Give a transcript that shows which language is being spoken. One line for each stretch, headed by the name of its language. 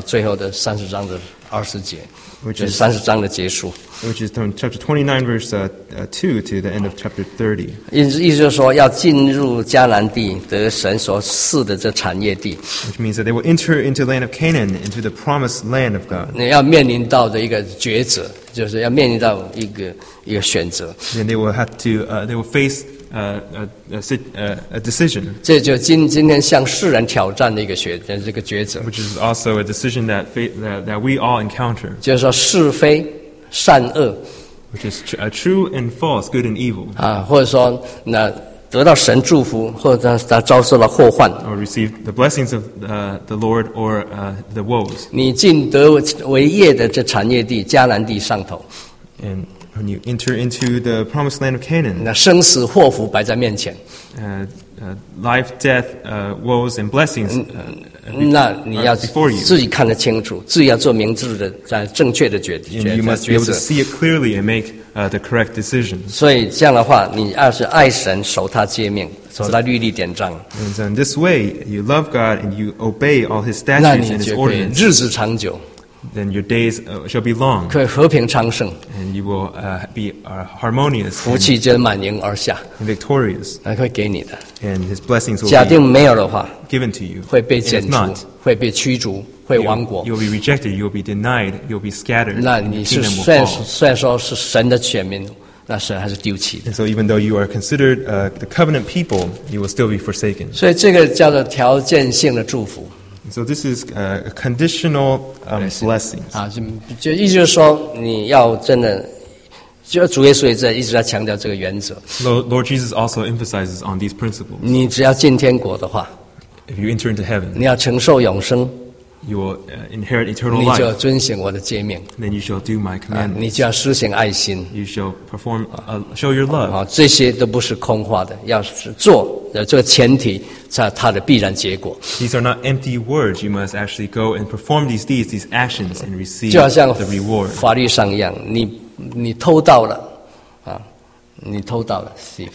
Chinese: 那就是从最后的29章的2节到最后的30章的20节。就是30章的结束。
English: Which is from chapter 29 verse 2 to the end of chapter 30.
Chinese: 意思就是说要进入迦南地得神所赐的这产业地。
English: Which means that they will enter into the land of Canaan, into the promised land of God.
Chinese: 你要面临到的一个抉择。就是要面临到一个选择。
English: Then they will have to, they will face a decision.
Chinese: 这就今天向世人挑战的一个抉择。
English: Which is also a decision that we all encounter.
Chinese: 就是说是非善恶。
English: Which is true and false, good and evil.
Chinese: 或者说那。得到神祝福，或者他遭受了祸患。
English: Or receive the blessings of the Lord or the woes.
Chinese: 你进得为业的这产业地迦南地上头。
English: And when you enter into the promised land of Canaan.
Chinese: 那生死祸福摆在面前。
English: Life, death, woes and blessings.
Chinese: 那你要自己看得清楚，自己要做明智的、在正确的决定。
English: And you must be able to see it clearly and make the correct decision.
Chinese: 所以这样的话，你要是爱神、守他诫命、守他律例典章。
English: And in this way, you love God and you obey all His statutes and His ordinances.
Chinese: 那你就可以日子长久。
English: Then your days shall be long.
Chinese: 可以和平昌盛。
English: And you will be harmonious.
Chinese: 福气就满盈而下。
English: And victorious.
Chinese: 那会给你的。
English: And His blessings will be.
Chinese: 假定没有的话。
English: Given to you.
Chinese: 会被剪除。会被驱逐。会亡国。
English: You'll be rejected. You'll be denied. You'll be scattered.
Chinese: 那你是虽然说是神的选民，那神还是丢弃的。
English: And so even though you are considered the covenant people, you will still be forsaken.
Chinese: 所以这个叫做条件性的祝福。
English: So this is a conditional blessing.
Chinese: 就意思就是说，你要真的，就主耶稣也在一直在强调这个原则。
English: Lord Jesus also emphasizes on these principles.
Chinese: 你只要进天国的话
English: ，If you enter into heaven,
Chinese: 你要承受永生
English: ，You will inherit eternal life.
Chinese: 你就要遵行我的诫命
English: ，Then you shall do my commandments.
Chinese: 你就要施行爱心
English: ，You shall perform show your love.
Chinese: 这些都不是空话的，要是做。这个前提在它的必然结果。
English: These are not empty words. You must actually go and perform these deeds, these actions, and receive
Chinese: 就好像法律上一样，你偷盗了，你偷盗了 ，
English: thief.